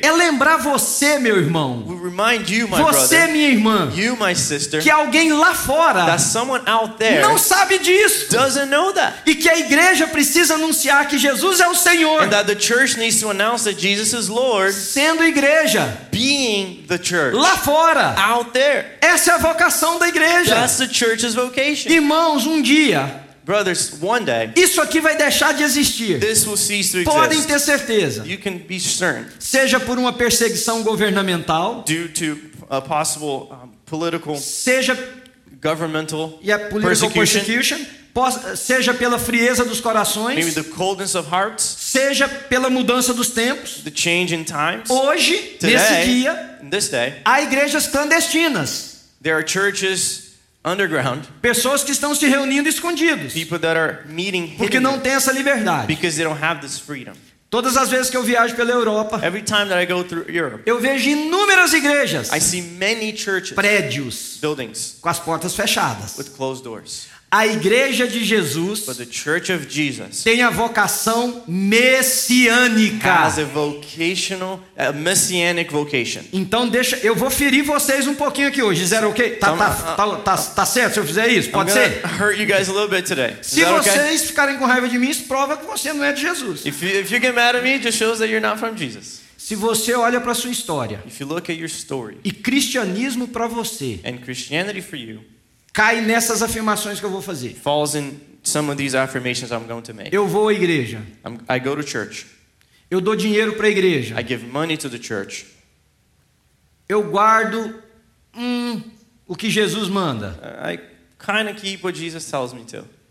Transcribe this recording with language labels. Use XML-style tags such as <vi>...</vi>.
<pt>É lembrar você, meu irmão.</pt> <en>We remind you, my</en> <pt>você,</pt> <en>brother,</en> <pt>minha irmã.</pt> <en>You, my sister,</en> <pt>que alguém lá fora,</pt> <en>that someone out there,</en> <pt>não sabe disso.</pt> <en>Doesn't know that.</en> <pt>E que a igreja precisa anunciar que Jesus é o Senhor.</pt> <en>And that the church needs to announce that Jesus is Lord.</en> <pt>Sendo igreja,</pt> <en>being the church.</en> <pt>Lá fora.</pt> <en>Out there.</en> <pt>Essa é a vocação da igreja.</pt> <en>That's the church's vocation.</en> <pt>Irmãos, dia.</pt> <en>Brothers, one day.</en> <pt>Isso aqui vai deixar de existir.</pt> <en>This will cease to exist.</en> <pt>Podem ter certeza.</pt> <en>You can be certain.</en> <pt>Seja por uma perseguição governamental.</pt> <en>Due to a possible political.</en> <pt>Seja</pt> <en>governmental. Yeah, political persecution.</en> <pt>Seja pela frieza dos corações.</pt> <en>Maybe the coldness of hearts.</en> <pt>Seja pela mudança dos tempos.</pt> <en>The change in times.</en> <pt>Hoje,</pt> <en>today,</en> <pt>nesse dia,</pt> <en>this day,</en> <pt>há igrejas clandestinas.</pt> <en>There are churches underground.</en> <pt>Pessoas que estão se reunindo escondidos.</pt> <en>People that are meeting hidden.</en> <pt>Porque não tem essa liberdade.</pt> <en>Because they don't have this freedom.</en> <pt>Todas as vezes que eu viajo pela Europa,</pt> <en>every time that I go through Europe,</en> <pt>eu vejo inúmeras igrejas.</pt> <en>I see many churches.</en> <pt>Prédios.</pt> <en>Buildings.</en> <pt>Com as portas fechadas.</pt> <en>With closed doors.</en> <pt>A igreja de Jesus,</pt> <en>but the church of Jesus,</en> <pt>tem a vocação messiânica.</pt> <en>Has a vocational, a messianic vocation.</en> <pt>Então deixa, eu vou ferir vocês pouquinho aqui hoje. Zero, ok? Tá certo se eu fizer isso? Pode ser?</pt> <en>Hurt you guys a little bit today.</en> <pt>Se vocês ficarem com raiva de mim, isso prova que você não é de Jesus.</pt> <en>If you get mad at me, it just shows that you're not from Jesus.</en> <pt>Se você olha para sua história,</pt> <en>if you look at your story,</en> <pt>e cristianismo para você,</pt> <en>and Christianity for you,</en> <pt>cai nessas afirmações que eu vou fazer.</pt> <en>Falls in some of these affirmations I'm going to make.</en> <pt>Eu vou à igreja.</pt> <en>I go to church.</en> <pt>Eu dou dinheiro para a igreja.</pt> <en>I give money to the church.</en> <pt>Eu guardo o que Jesus manda.</pt> <en>I kind of keep what Jesus tells me to.</en>